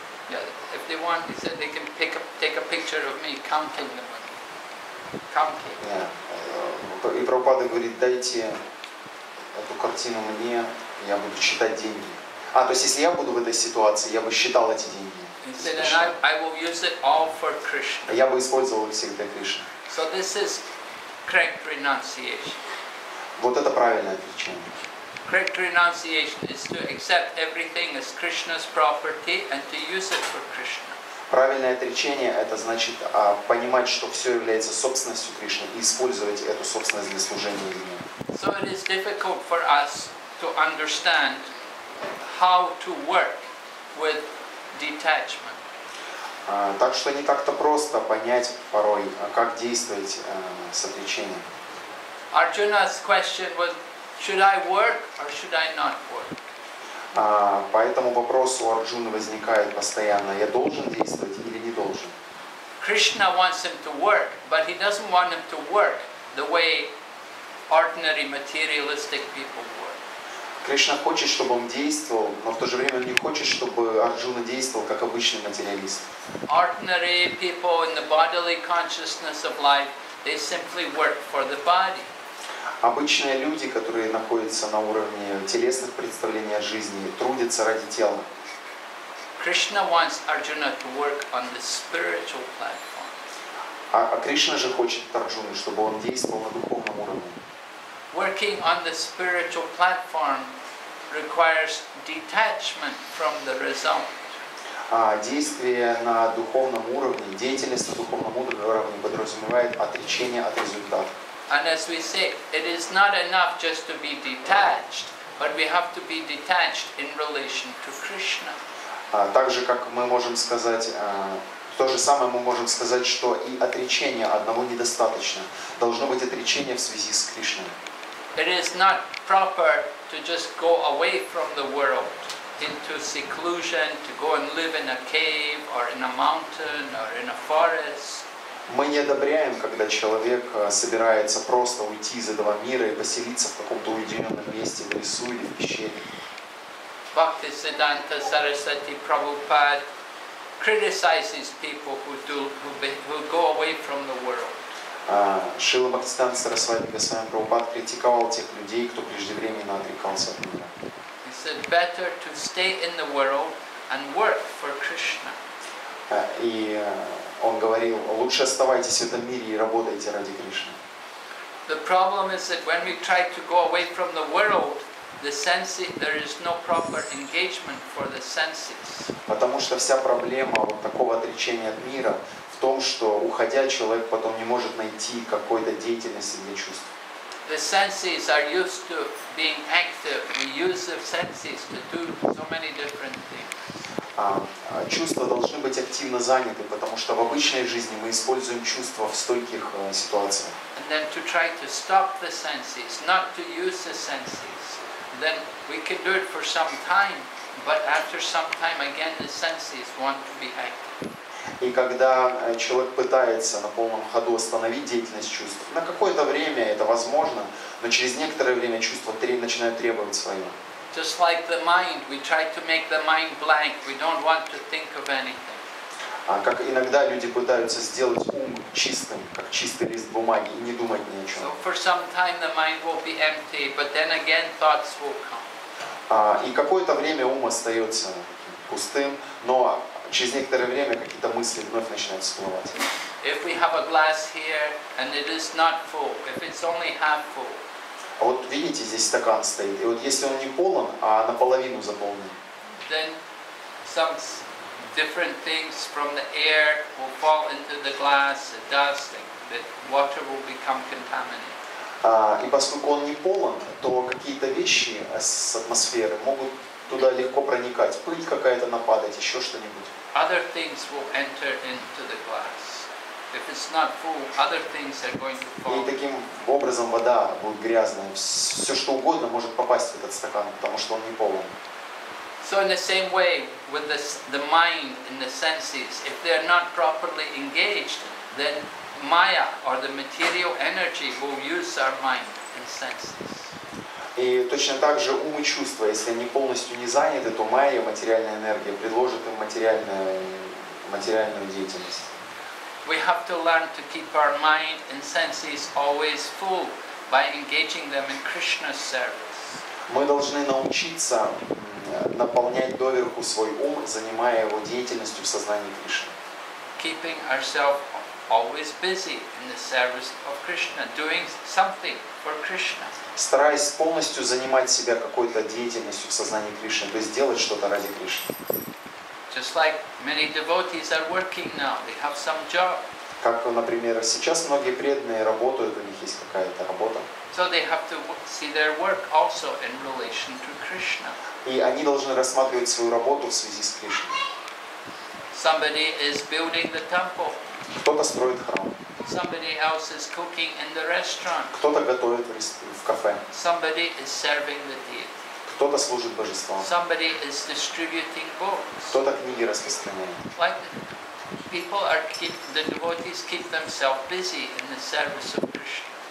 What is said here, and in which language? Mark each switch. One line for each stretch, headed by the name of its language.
English: Yeah, if they want, he said they can take a picture of me counting the money. Yeah.
Russian: И Прабхупада говорит, дайте эту картину мне, я буду считать деньги. А, то есть если я буду в этой ситуации, я бы считал эти деньги.
English: Said, I will use it all for Krishna.
Russian: Я бы использовал их всегда для Кришны.
English: So this is correct renunciation.
Russian: Вот это правильное отречение.
English: Correct renunciation is to accept everything as Krishna's property and to use it for Krishna.
Russian: Правильное отречение – это значит понимать, что все является собственностью Кришны и использовать эту собственность для служения Ему.
English: So it is difficult for us to understand how to work with detachment.
Russian: Так что не так-то просто понять порой, как действовать с отречением.
English: Arjuna's question was, should I work or should I not work?
Russian: Поэтому вопрос у Арджуны возникает постоянно: я должен действовать или не должен?
English: Krishna wants him to work, but he doesn't want him to work the way ordinary materialistic people work.
Russian: Кришна хочет, чтобы он действовал, но в то же время он не хочет, чтобы Арджуна действовал как обычный материалист.
English: Ordinary people in the bodily consciousness of life, they simply work for the body.
Russian: Обычные люди, которые находятся на уровне телесных представлений о жизни, трудятся ради тела.
English: Krishna wants Arjuna to work on the spiritual platform.
Russian: А Кришна же хочет от Арджуны, чтобы он действовал на духовном уровне.
English: Working on the spiritual platform requires detachment from the result.
Russian: А действие на духовном уровне, деятельность на духовном уровне подразумевает отречение от результата.
English: And as we say, it is not enough just to be detached, but we have to be detached in relation to Krishna.
Russian: Также как мы можем сказать, то же самое мы можем сказать, что и отречения одного недостаточно. Должно быть отречение в связи с Кришной.
English: It is not proper to just go away from the world into seclusion, to go and live in a cave or in a mountain or in a forest.
Russian: Мы не одобряем, когда человек собирается просто уйти из этого мира и поселиться в каком-то уединенном месте, в лесу или в пещере.
English: Bhaktisiddhanta Sarasvati Prabhupada criticizes people who go away from the world.
Russian: Шрила Бхактисиддханта Сарасвати Госвами Прабхупада критиковал тех людей, кто преждевременно отрекался от мира.
English: He said better to stay in the world and work for Krishna.
Russian: И он говорил: лучше оставайтесь в этом мире и работайте ради Кришны.
English: The problem is that when we try to go away from the world, the senses, there is no proper engagement for the senses.
Russian: Потому что вся проблема вот такого отречения от мира в том, что уходя, человек потом не может найти какой-то деятельности для чувств.
English: The senses are used to being active. We use the senses to do so many different things.
Russian: Чувства должны быть активно заняты, потому что в обычной жизни мы используем чувства в стольких ситуациях.
English: And then to try to stop the senses, not to use the senses. Then we can do it for some time, but after some time again the senses want to be active.
Russian: И когда человек пытается на полном ходу остановить деятельность чувств, на какое-то время это возможно, но через некоторое время чувства начинают требовать своего.
English: Just like the mind, we try to make the mind blank. We don't want to think of anything.
Russian: А как иногда люди пытаются сделать ум чистым, как чистый лист бумаги, и не думать ни о чем.
English: So for some time the mind will be empty, but then again thoughts will come.
Russian: И какое-то время ум остается пустым, но через некоторое время какие-то мысли вновь начинают всплывать.
English: If we have a glass here and it is not full, if it's only half full.
Russian: А вот видите, здесь стакан стоит. И вот если он не полон, а наполовину заполнен.
English: Then some different things from the air will fall into the glass, the dust, the water will become contaminated.
Russian: И поскольку он не полон, то какие-то вещи с атмосферы могут туда легко проникать. Пыль какая-то нападать, еще что-нибудь.
English: Other things will enter into the glass. If it's not full, other things are going to fall.
Russian: И таким образом вода будет грязная. Все что угодно может попасть в этот стакан, потому что он не полон.
English: So in the same way with the mind and the senses, if they are not properly engaged, then Maya or the material energy will use our mind and senses.
Russian: И точно так же ум и чувства, если они полностью не заняты, то Майя, материальная энергия, предложит им материальную деятельность.
English: We have to learn to keep our mind and senses always full by engaging them in Krishna's service.
Russian: Мы должны научиться наполнять доверху свой ум, занимая его деятельностью в сознании Кришны.
English: Keeping ourselves always busy in the service of Krishna, doing something for Krishna.
Russian: Стараясь полностью занимать себя какой-то деятельностью в сознании Кришны, то есть делать что-то ради Кришны.
English: Just like many devotees are working now, they have some job.
Russian: Как, например, сейчас многие преданные работают, у них есть какая-то работа.
English: So they have to see their work also in relation to Krishna.
Russian: И они должны рассматривать свою работу в связи с Кришной.
English: Somebody is building the temple.
Russian: Кто-то строит храм.
English: Somebody else is cooking in the restaurant.
Russian: Кто-то готовит в кафе.
English: Somebody is serving the deity.
Russian: Кто-то служит божествам.
English: Somebody is distributing books.
Russian: Кто-то книги распространяет.
English: Like people are keep the devotees keep themselves busy in the service of Krishna.